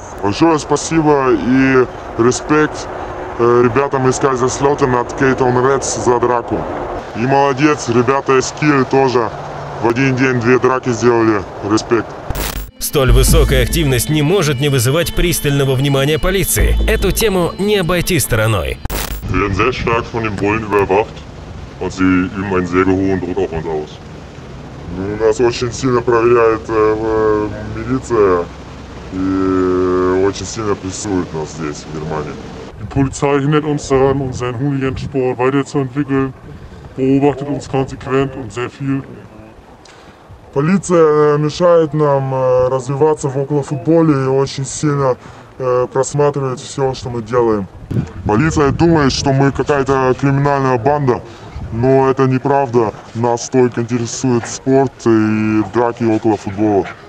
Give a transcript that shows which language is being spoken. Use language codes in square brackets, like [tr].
[ru] Большое спасибо и респект ребятам из Кайзерслаутерн от Кейтон Редс за драку. И молодец, ребята из Киля тоже в один день две драки сделали. Респект. Столь высокая активность не может не вызывать пристального внимания полиции. Эту тему не обойти стороной. [de] Wir werden sehr stark von den Bullen überwacht und sie üben einen sehr hohen Druck auf uns aus. [ru] У нас очень сильно проверяет милиция и очень сильно прессует нас здесь, в Германии. [de] Die Polizei hindert uns daran, unseren Hooligan-Sport weiterzuentwickeln, beobachtet uns konsequent und sehr viel. [ru] Полиция мешает нам развиваться в околофутболе и очень сильно просматривает все, что мы делаем. Полиция думает, что мы какая-то криминальная банда, но это неправда. Нас только интересует спорт и драки около футбола.